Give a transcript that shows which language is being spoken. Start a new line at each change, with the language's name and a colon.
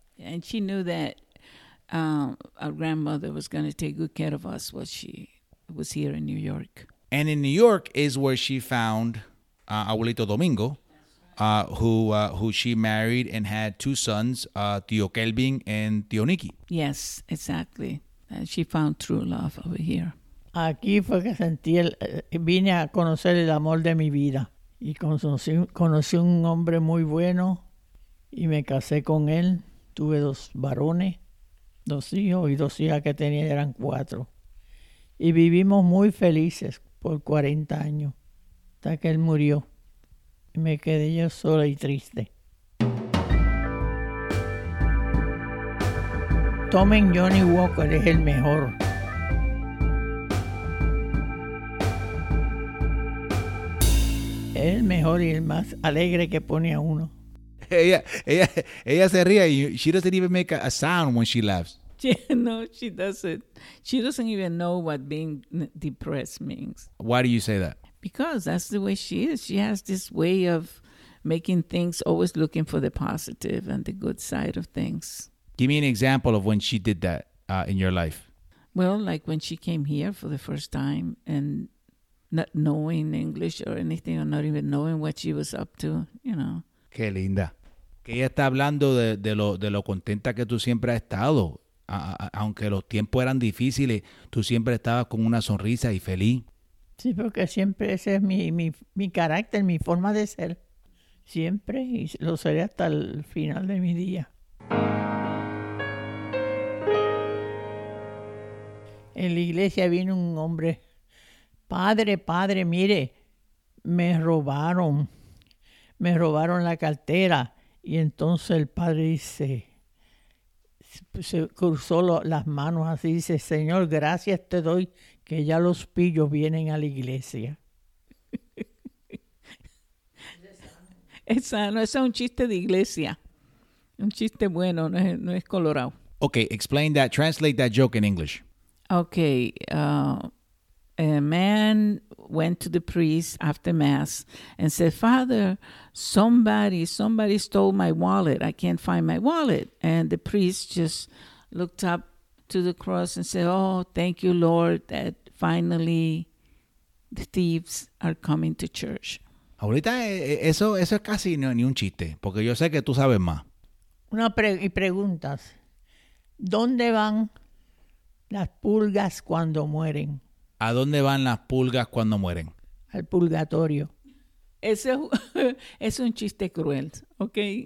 English: And she knew that our grandmother was going to take good care of us while she was here in New York. And in New York is where she found Abuelito Domingo, who she married and had two sons, Tio Kelvin and Tio Nicky. Yes, exactly. And she found true love over here.
Spanish: Aquí fue que sentí vine a conocer el amor de mi vida. Y conocí un hombre muy bueno y me casé con él. Tuve dos varones, dos hijos y dos hijas que tenía, eran cuatro. Y vivimos muy felices por 40 años hasta que él murió. Y me quedé yo sola y triste. Tomen Johnny Walker, es el mejor. Es el mejor y el más alegre que pone a uno. Ella se ríe.
English: She doesn't even make a sound when she laughs. No, she doesn't. She doesn't even know what being depressed means. Why do you say that? Because that's the way she is. She has this way of making things, always looking for the positive and the good side of things. Give me an example of when she did that in your life. Well, like when she came here for the first time and not knowing English or anything, or not even knowing what she was up to, you know.
Spanish: Qué linda. Que ella está hablando de lo contenta que tú siempre has estado. Aunque los tiempos eran difíciles, tú siempre estabas con una sonrisa y feliz. Sí, porque siempre ese es mi carácter, mi forma de ser. Siempre, y lo seré hasta el final de mi día. En la iglesia vino un hombre. Padre, mire, me robaron la cartera. Y entonces el padre dice, se cruzó las manos así, dice, Señor, gracias te doy que ya los pillos vienen a la iglesia. Es sano, es un chiste de iglesia, un chiste bueno, no es colorado.
English: Okay, explain that, translate that joke in English. Okay, a man went to the priest after mass and said, Father, somebody stole my wallet. I can't find my wallet. And the priest just looked up to the cross and said, oh, thank you, Lord, that finally the thieves are coming to church.
Spanish: Abuelita, eso es casi ni un chiste, porque yo sé que tú sabes más. Y preguntas, ¿dónde van las pulgas cuando mueren? ¿A dónde van las pulgas cuando mueren? Al purgatorio. Ese es un chiste cruel, ¿ok?